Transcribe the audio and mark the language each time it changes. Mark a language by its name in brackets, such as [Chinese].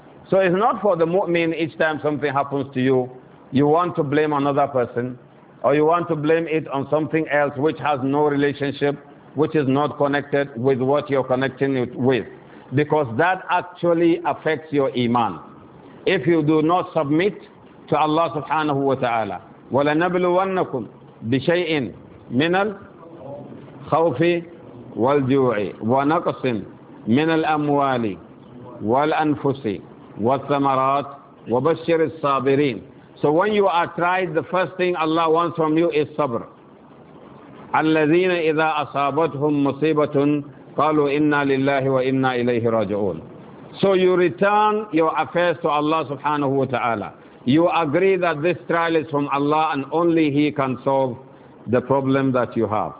[English] So it's not for the mu'min, each time something happens to you, you want to blame another person, or you want to blame it on something else which has no relationship, which is not connected with what you're connecting it with. Because that actually affects your iman. If you do not submit to Allah subhanahu wa ta'ala, [Arabic] وَلَنَبْلُوَنَّكُمْ بِشَيْءٍ مِنَ الْخَوْفِ وَالْجُوعِ وَنَقْصٍ مِنَ الْأَمْوَالِ وَالْأَنْفُسِ وَالثَّمَرَاتِ وَبَشِّرِ الصَّابِرِينَ. [English] So when you are tried, the first thing Allah wants from you is sabr. [Arabic] الَّذِينَ إِذَا أَصَابَتْهُمْ مُصِيبَةٌ قَالُوا إِنَّا لِلَّهِ وَإِنَّا إِلَيْهِ رَاجِعُونَ. [English] So you return your affairs to Allah subhanahu wa ta'ala. You agree that this trial is from Allah and only He can solve the problem that you have.